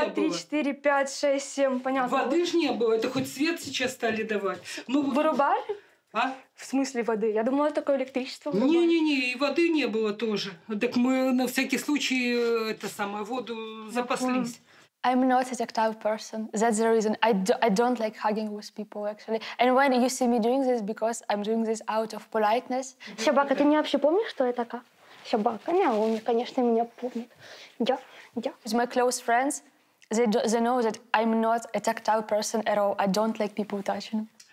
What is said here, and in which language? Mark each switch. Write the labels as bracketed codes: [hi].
[ru] 1, 2, 3, 4, 5, 6, 7, понятно. Воды же не было, это хоть свет сейчас стали давать. Ну, вырубали? А? В смысле воды? Я думала, такое электричество. Не-не-не, и воды не было тоже. Так мы на всякий случай это самое, воду запаслись. [en] I'm not a tactile person. That's the reason. I don't like hugging with people, actually. And when you see me doing this, because I'm doing this out of politeness. [ru] Собака, ты не вообще помнишь, что я такая? Собака, не, он, конечно, меня помнит. [en] Yeah. My close friends, they know that I'm not a tactile person at all. I don't like people touching.